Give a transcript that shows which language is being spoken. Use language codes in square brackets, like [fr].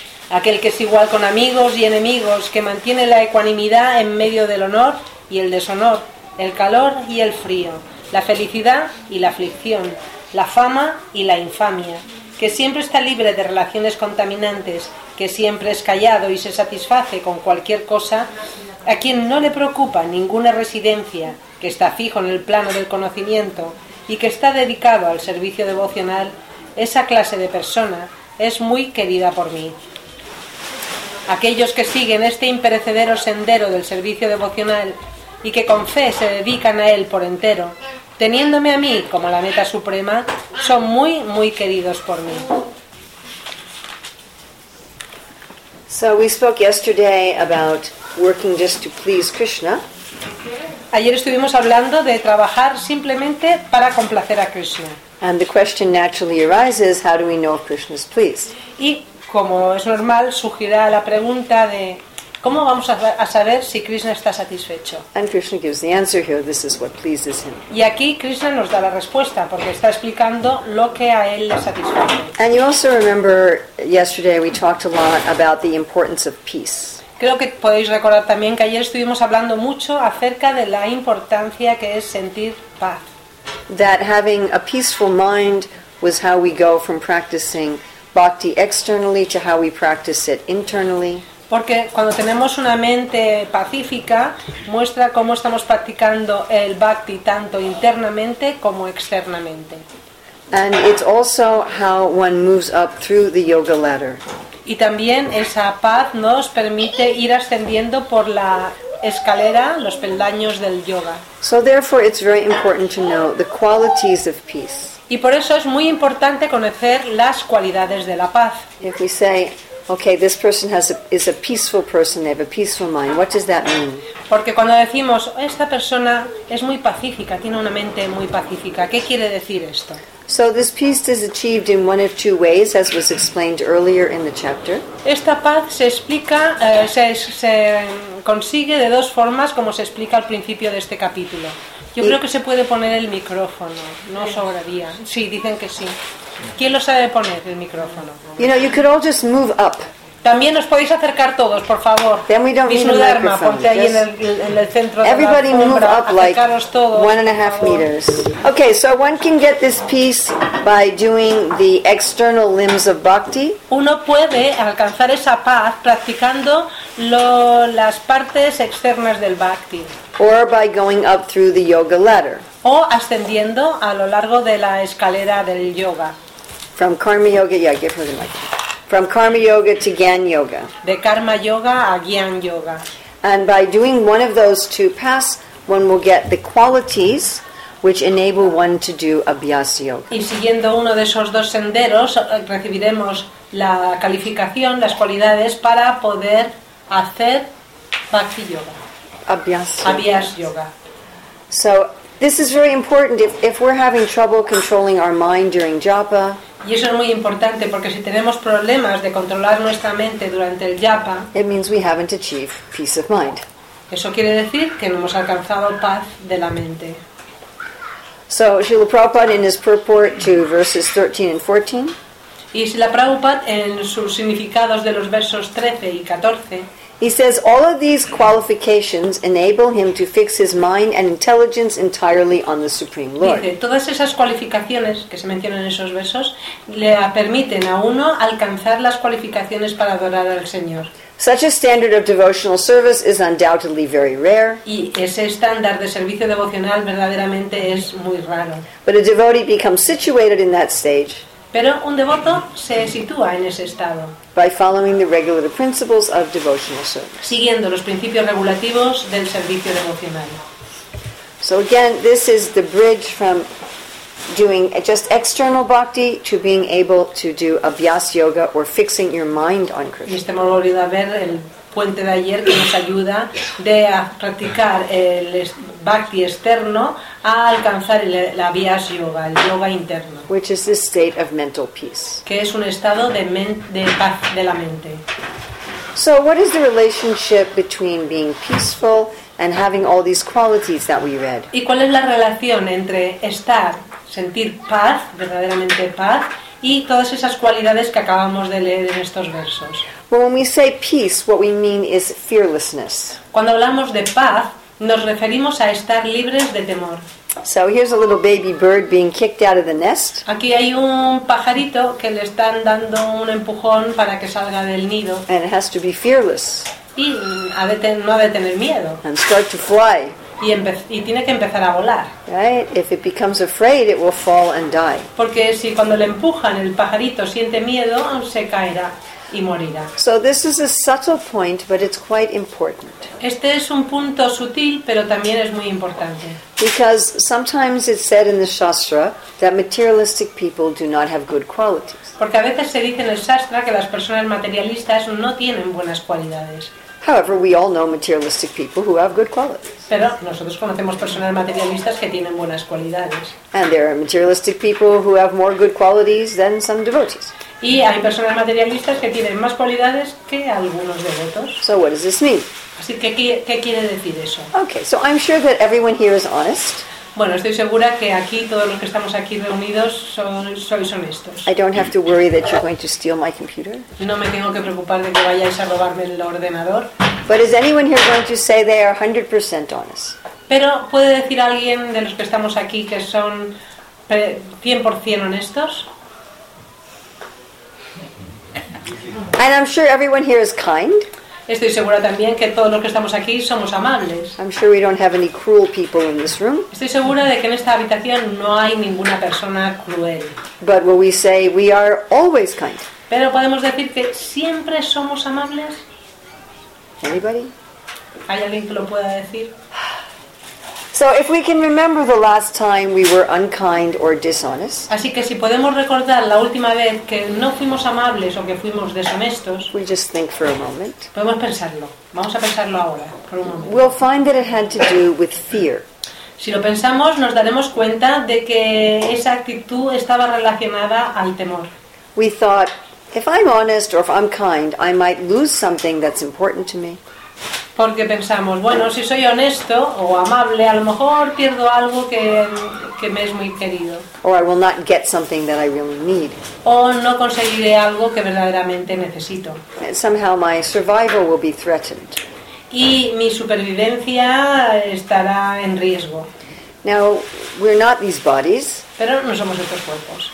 [es] Aquel que es igual con amigos y enemigos, que mantiene la ecuanimidad en medio del honor y el deshonor, el calor y el frío, la felicidad y la aflicción, la fama y la infamia, que siempre está libre de relaciones contaminantes, que siempre es callado y se satisface con cualquier cosa, a quien no le preocupa ninguna residencia, que está fijo en el plano del conocimiento y que está dedicado al servicio devocional, esa clase de persona es muy querida por mí. Aquellos que siguen este imperecedero sendero del servicio devocional y que con fe se dedican a él por entero, teniéndome a mí como la meta suprema, son muy, muy queridos por mí. [en] So we spoke yesterday about working just to please Krishna. [es] Ayer estuvimos hablando de trabajar simplemente para complacer a Krishna. [en] And the question naturally arises, how do we know if Krishna is pleased? [es] Y como es normal, surgirá la pregunta de ¿cómo vamos a saber si Krishna está satisfecho? [en] And Krishna gives the answer here, this is what pleases him. [es] Y aquí Krishna nos da la respuesta porque está explicando lo que a él le satisface. [en] And you also remember yesterday we talked a lot about the importance of peace. [es] Creo que podéis recordar también que ayer estuvimos hablando mucho acerca de la importancia que es sentir paz. [en] That having a peaceful mind was how we go from practicing bhakti externally to how we practice it internally. [es] Porque cuando tenemos una mente pacífica, muestra cómo estamos practicando el bhakti tanto internamente como externamente. [en] And it's also how one moves up through the yoga ladder. [es] Y también esa paz nos permite ir ascendiendo por la escalera, los peldaños del yoga. [en] So therefore it's very important to know the qualities of peace. [es] Y por eso es muy importante conocer las cualidades de la paz. [en] If we say, okay, this person is a peaceful person, they have a peaceful mind, what does that mean? [es] Porque cuando decimos, esta persona es muy pacífica, tiene una mente muy pacífica, ¿qué quiere decir esto? [en] So this peace is achieved in one of two ways, as was explained earlier in the chapter. [es] Esta paz se explica, se consigue de dos formas, como se explica al principio de este capítulo. Yo creo que se puede poner el micrófono, no sobraría. Sí, dicen que sí. ¿Quién lo sabe poner, el micrófono? [en] You know, you could all just move up. [es] También os podéis acercar todos, por favor. [en] Then we don't need a microphone. [es] Ponte ahí en el centro. [en] Everybody [es] de la [en] move up like [es] todos, [en] 1.5 meters. Okay, so one can get this peace by doing the external limbs of bhakti. [es] Uno puede alcanzar esa paz practicando las partes externas del bhakti. [en] Or by going up through the yoga ladder. [es] o ascendiendo a lo largo de la escalera del yoga. [en] From karma yoga, yeah, give her the mic. From karma yoga to gyan yoga. [es] De karma yoga a gyan yoga. [en] And by doing one of those two paths, one will get the qualities which enable one to do abhyasa yoga. [es] Y siguiendo uno de esos dos senderos, recibiremos la calificación, las cualidades para poder hacer bhakti yoga. [en] Abhyasa yoga. So this is very important if we're having trouble controlling our mind during japa. [es] Y eso es muy importante porque si tenemos problemas de controlar nuestra mente durante el japa, [en] it means we haven't achieved peace of mind. [es] Eso quiere decir que no hemos alcanzado paz de la mente. [en] So Srila Prabhupada in his purport to verses 13 and 14. [es] Y Srila Prabhupada en sus significados de los versos 13 y 14. [en] He says all of these qualifications enable him to fix his mind and intelligence entirely on the Supreme Lord. [es] Dice, todas esas cualificaciones que se mencionan en esos versos le permiten a uno alcanzar las cualificaciones para adorar al Señor. [en] Such a standard of devotional service is undoubtedly very rare. [es] Y ese estándar de servicio devocional verdaderamente es muy raro. [en] But a devotee becomes situated in that stage. [es] Pero un devoto se sitúa en ese estado. [en] By following the regular principles of devotional service. [es] Siguiendo los principios regulativos del servicio devocional. [en] So again, this is the bridge from doing just external bhakti to being able to do abhyas yoga or fixing your mind on Krishna. [es] Y este hemos volvido a ver el puente de ayer que nos ayuda de a practicar el bhakti externo a alcanzar el abhyas yoga, el yoga interno. [en] Which is this state of mental peace. [es] Que es un estado de paz de la mente. [en] So what is the relationship between being peaceful and having all these qualities that we read? [es] ¿Y cuál es la relación entre estar, sentir paz, verdaderamente paz, y todas esas cualidades que acabamos de leer en estos versos? [en] Well, when we say peace, what we mean is fearlessness. [es] Cuando hablamos de paz, nos referimos a estar libres de temor. [en] So here's a little baby bird being kicked out of the nest. [es] Aquí hay un pajarito que le están dando un empujón para que salga del nido. [en] And it has to be fearless. [es] Y ha de tener miedo. [en] And start to fly. [es] Y tiene que empezar a volar. [en] Right? If it becomes afraid, it will fall and die. [es] Porque si cuando le empujan el pajarito siente miedo, se caerá y morirá. [en] So this is a subtle point, but it's quite important. [es] Este es un punto sutil, pero también es muy importante. [en] Because sometimes it's said in the Shastra that materialistic people do not have good qualities. [es] Porque a veces se dice en el Shastra que las personas materialistas no tienen buenas cualidades. [en] However, we all know materialistic people who have good qualities. [es] Pero nosotros conocemos personas materialistas que tienen buenas cualidades. [en] And there are materialistic people who have more good qualities than some devotees. [es] Y hay personas materialistas que tienen más cualidades que algunos devotos. [en] So what does this mean? [es] Así que ¿qué quiere decir eso? [en] Okay, so I'm sure that everyone here is honest. [es] Bueno, estoy segura que aquí todos los que estamos aquí reunidos sois honestos. [en] I don't have to worry that you're going to steal my computer. [es] No me tengo que preocupar de que vayáis a robarme el ordenador. [en] But is anyone here going to say they are 100% honest? [es] Pero ¿puede decir alguien de los que estamos aquí que son 100% honestos? [en] And I'm sure everyone here is kind. [es] Estoy segura también que todos los que estamos aquí somos amables. [en] I'm sure we don't have any cruel people in this room. [es] Estoy segura de que en esta habitación no hay ninguna persona cruel. [en] But will we say we are always kind? [es] Pero podemos decir que siempre somos amables. [en] Anybody? [es] ¿Hay alguien que lo pueda decir? [en] So if we can remember the last time we were unkind or dishonest. [es] Así que si podemos recordar la última vez que no fuimos amables o que fuimos deshonestos. [en] We just think for a moment. [es] Podemos pensarlo. Vamos a pensarlo ahora, por un momento. [en] We'll find that it had to do with fear. [es] Si lo pensamos, nos daremos cuenta de que esa actitud estaba relacionada al temor. [en] We thought, if I'm honest or if I'm kind, I might lose something that's important to me. [es] Porque pensamos, bueno, si soy honesto o amable, a lo mejor pierdo algo que me es muy querido. [en] Or I will not get something that I really need. [es] O no conseguiré algo que verdaderamente necesito. [en] And somehow my survival will be threatened. [es] Y mi supervivencia estará en riesgo. [en] Now, we're not these bodies. [es] Pero no somos estos cuerpos.